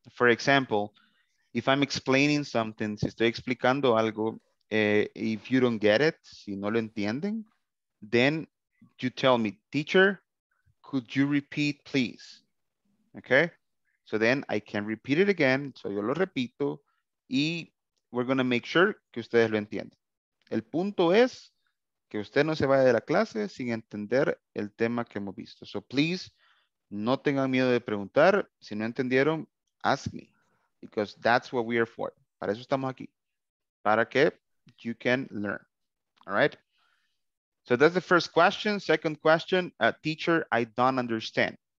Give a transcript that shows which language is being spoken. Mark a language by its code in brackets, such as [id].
[en] For example, if I'm explaining something, [es] si estoy explicando algo, [en] if you don't get it, [es] si no lo entienden, [en] then you tell me, teacher, could you repeat, please? Okay, so then I can repeat it again. [es] So yo lo repito y [en] we're going to make sure [es] que ustedes lo entiendan. El punto es que usted no se vaya de la clase sin entender el tema que hemos visto. [en] So please, [es] no tengan miedo de preguntar. Si no entendieron, [en] ask me, because that's what we are for. [es] Para eso estamos aquí, para que [en] you can learn. All right, so that's the first question. Second question, teacher, I don't understand.